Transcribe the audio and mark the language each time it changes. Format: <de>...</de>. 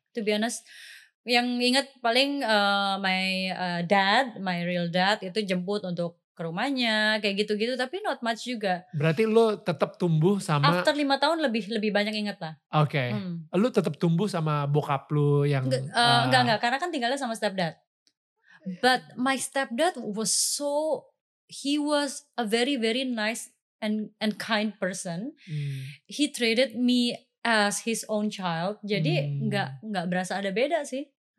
<en>To be honest,</en> <id>yang ingat paling</id> <en>my real dad</en> <id>itu jemput untuk ke rumahnya, kayak gitu-gitu, tapi</id> <en>not much</en> <id>juga. Berarti lu tetap tumbuh sama, after 5 tahun lebih banyak ingat lah. Oke. Okay. Lu tetap tumbuh sama bokap lu yang enggak, karena kan tinggalnya sama stepdad.</id> <en>But my stepdad was so, he was a very very nice and kind person. He treated me as his own child.</en> <id>Jadi enggak berasa ada beda sih.</id>